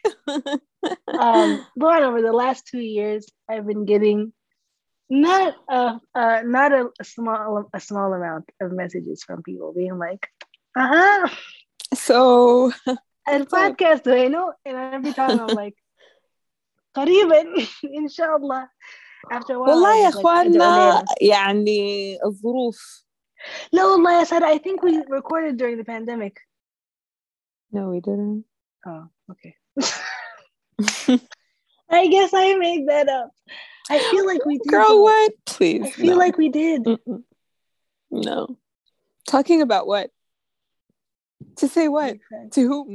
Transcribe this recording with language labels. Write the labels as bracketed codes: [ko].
[en] Lauren, over the last 2 years, I've been getting not a small amount of messages from people being like, So, and podcast, you know, and every time I'm like, [ar] قريباً إن شاء الله. [en] After a while, [ar] والله يا إخوانا يعني الظروف. لا والله يا سارة, [en] I think we recorded during the pandemic. No, we didn't. Oh, okay. I guess I made that up. I feel like we did. Girl, what? Please. I feel like we did. Mm-mm. No. Talking about what? To say what? Okay. To whom?